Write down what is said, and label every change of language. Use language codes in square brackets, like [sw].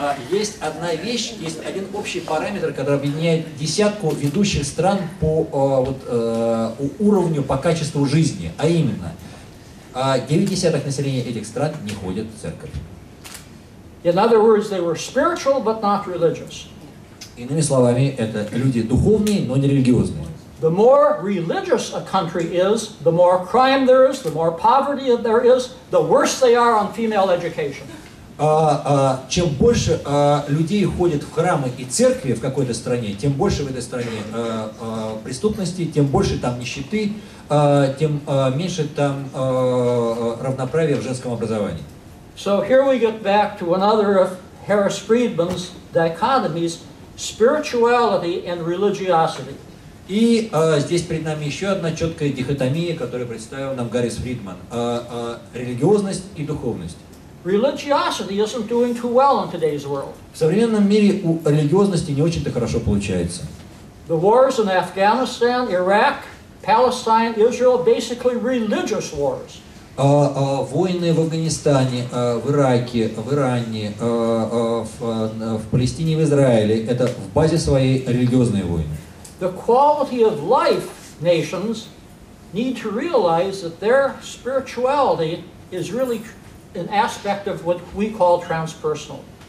[ru] Есть одна вещь, есть один общий параметр, который объединяет десятку ведущих стран по уровню, по качеству жизни, а именно 9/10 населения этих стран не ходят в церковь. [en] In other words, they were spiritual, but not religious. [ru] Иными словами, это люди духовные, но не религиозные. [en] The more religious a country is, the more crime there is, the more poverty there is, the worse they are on female education. [ru] Чем больше людей ходит в храмы и церкви в какой-то стране, тем больше в этой стране преступности, тем больше там нищеты, тем меньше там равноправия в женском образовании. [en] So here we get back to another of Harris Friedman's dichotomies, spirituality and religiosity. [ru] И здесь перед нами еще одна четкая дихотомия, которую представил нам Гаррис Фридман. Религиозность и духовность. [en] Religiosity isn't doing too well in today's world. [ru] В современном мире у религиозности не очень-то хорошо получается. [en] The wars in Afghanistan, Iraq, Palestine, Israel – basically religious wars. [ru] Войны в Афганистане, в Ираке, в Иране, в Палестине, в Израиле – это в базе своей религиозные войны. [en] The quality of life nations need to realize that their spirituality is really an aspect of what we call transpersonal.